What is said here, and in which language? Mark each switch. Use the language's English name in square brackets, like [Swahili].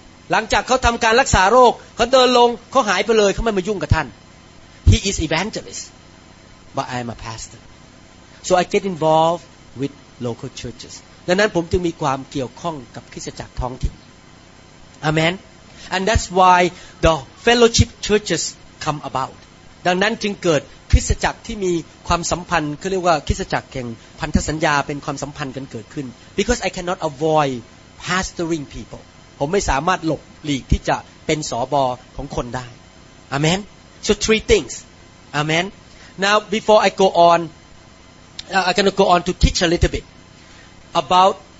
[Thai] หลังจากเขาทำการรักษาโรคเขาเดินลงเขาหายไปเลยเขาไม่มายุ่งกับท่าน [English] He is evangelist, but I am a pastor. So I get involved with local churches. [Thai] ดังนั้นผมจึงมีความเกี่ยวข้องกับคริสตจักรท้องถิ่น [English] Amen. And that's why the fellowship churches come about. [Thai] ดังนั้นจึงเกิดคริสตจักรที่มีความสัมพันธ์เขาเรียกว่าคริสตจักรแห่งพันธสัญญาเป็นความสัมพันธ์กันเกิดขึ้น [English] because I cannot avoid pastoring people [Thai] ผมไม่สามารถหลบหลีกที่จะเป็นสบของคนได้อาเมน [English] so three things [Thai] อาเมน [English] now before I go on I'm going to go on to teach a little bit about